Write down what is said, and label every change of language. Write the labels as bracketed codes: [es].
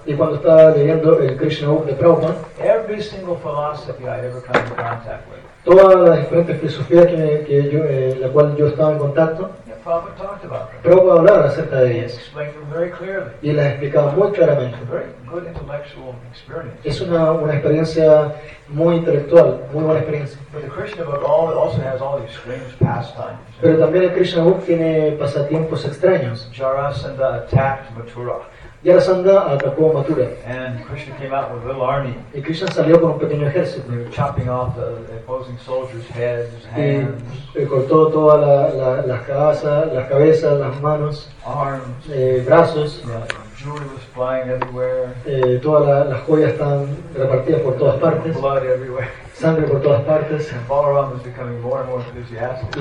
[es] y cuando estaba leyendo el Krishna book de Prabhupada, [en] every single philosophy I ever come in contact with, [es] todas las diferentes filosofías que yo estaba en contacto, [en] Prabhupada talked about them. [es] Prabhupada hablaba acerca de ellas. [en] He explained them very clearly. [es] Y las explicaba muy claramente. [en] Very good intellectual experience. [es] Es una experiencia muy intelectual, muy buena experiencia. [en] But the Krishna book also has all these strange pastimes. [es] Pero también el Krishna book tiene pasatiempos extraños. [en] Jarasandha attacked Mathura. [es] Yarasandha atacó a Mathura. [en] And Krishna came out with a little army. [es] Y Krishna salió con un pequeño ejército. [en] They were chopping off the opposing soldiers' heads, hands. [es] Y cortó todas las cabezas, las manos, [en] arms, [es] brazos. [en] Jewelry was flying everywhere. [es] Todas las joyas estaban repartidas por todas partes. [en] Blood everywhere. [es] Sangre por todas partes. [en] And Balaram was becoming more and more enthusiastic.